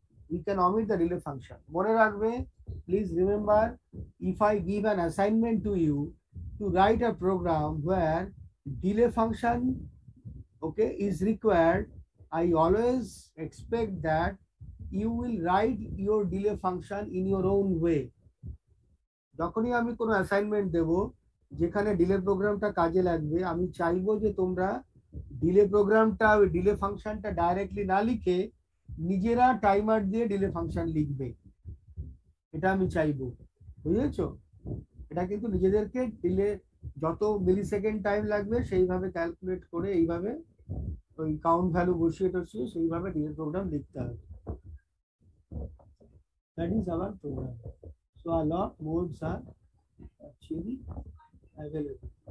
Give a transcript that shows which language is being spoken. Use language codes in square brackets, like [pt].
[en] We can omit the delay function. Moreover, please remember, if I give an assignment to you to write a program where delay function, okay, is required, I always expect that you will write your delay function in your own way. [bn] যখনই আমি কোনো assignment দেব যেখানে delay প্রোগ্রামটা কাজে লাগবে, আমি চাইবো যে তোমরা ডিলে প্রোগ্রামটা ওই ডিলে ফাংশনটা ডাইরেক্টলি না লিখে নিজেরা টাইমার দিয়ে ডিলে ফাংশন লিখবে, এটা আমি চাইবো, বুঝেছ? এটা কিন্তু নিজেদেরকে ডিলে যত মিলি সেকেন্ড টাইম লাগবে সেইভাবে ক্যালকুলেট করে এইভাবে ওই কাউন্ট ভ্যালু বসিয়ে টসিয়ে সেইভাবে ডিলে প্রোগ্রাম লিখতে হবে। [en] So a lot modes are actually available.